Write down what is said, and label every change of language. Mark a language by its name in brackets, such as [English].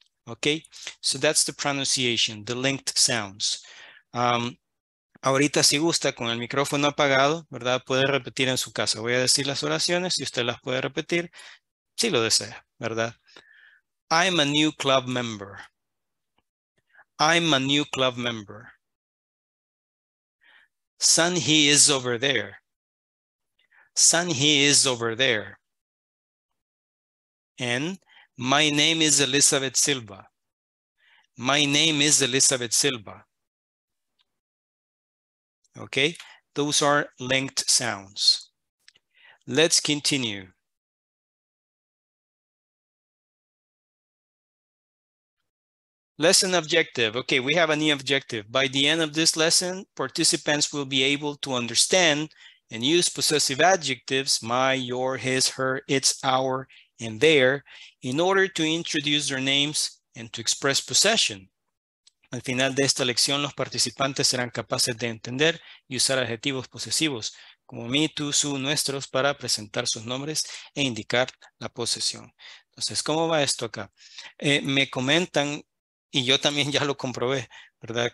[English] Okay, so that's the pronunciation, the linked sounds. [Spanish] Ahorita si gusta, con el micrófono apagado, ¿verdad? Puede repetir en su casa. Voy a decir las oraciones y usted las puede repetir si lo desea, ¿verdad? [English] I'm a new club member. I'm a new club member. Son, he is over there. Son, he is over there. And... my name is Elizabeth Silva. My name is Elizabeth Silva. Okay, those are linked sounds. Let's continue. Lesson objective. Okay, we have a new objective. By the end of this lesson, participants will be able to understand and use possessive adjectives, my, your, his, her, its, our, and their, in order to introduce their names and to express possession. [Spanish] Al final de esta lección, los participantes serán capaces de entender y usar adjetivos posesivos, como mi, tu, su, nuestros, para presentar sus nombres e indicar la posesión. Entonces, ¿cómo va esto acá? Me comentan, y yo también ya lo comprobé, ¿verdad?